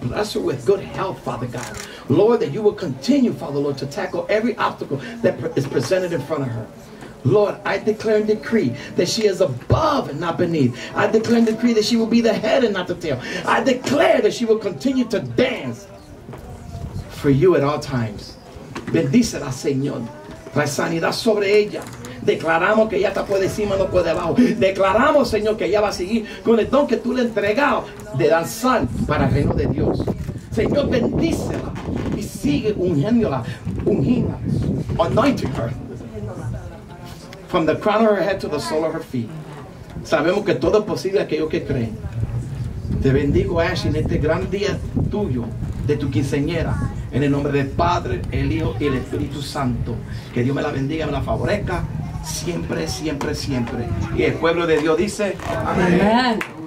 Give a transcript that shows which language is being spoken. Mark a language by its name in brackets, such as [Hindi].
[English] Bless her with good health, Father God. Lord, that you will continue, Father Lord, to tackle every obstacle that is presented in front of her. Lord, I declare and decree that she is above and not beneath. I declare and decree that she will be the head and not the tail. I declare that she will continue to dance for you at all times. [Spanish] Bendícela, Señor. Trae sanidad sobre ella. Declaramos que ella está por encima, no por debajo. Declaramos, Señor, que ella va a seguir con el don que tú le has entregado de danzar para el reino de Dios. Señor, bendícela y sigue ungiéndola, ungiéndola, [English] anointing her. From the crown of her head to the sole of her feet. [Spanish] Sabemos que todo es posible aquello que creen. Te bendigo, Ashley, en este gran día tuyo, de tu quinceañera, en el nombre del Padre, el Hijo y el Espíritu Santo. Que Dios me la bendiga, me la favorezca, siempre, siempre, siempre. Y el pueblo de Dios dice, amén. Amén.